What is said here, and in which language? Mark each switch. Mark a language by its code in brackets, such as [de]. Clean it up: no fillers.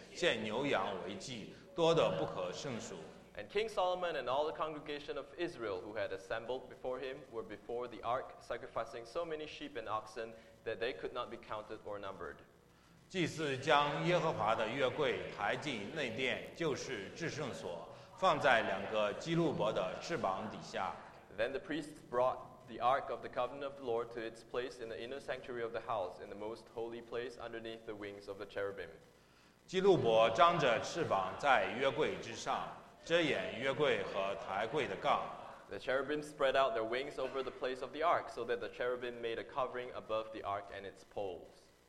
[zh] 所罗门王聚集到他那里的以色列全会众都在约柜前献牛羊为祭，多得不可胜数。 [en] And King Solomon and all the congregation of Israel who had assembled before him were before the ark, sacrificing so many sheep and oxen that they could not be counted or numbered. [zh] 祭司将耶和华的约柜抬进内殿，就是至圣所，放在两个基路伯的翅膀底下。 [en] Then the priest brought the ark of the covenant of the Lord to its place in the inner sanctuary of the house, in the most holy place underneath the wings of the cherubim. [zh] 基路伯张着翅膀在约柜之上。 [en] The cherubim spread out their wings over the place of the ark, so that the cherubim made a covering above the ark and its poles.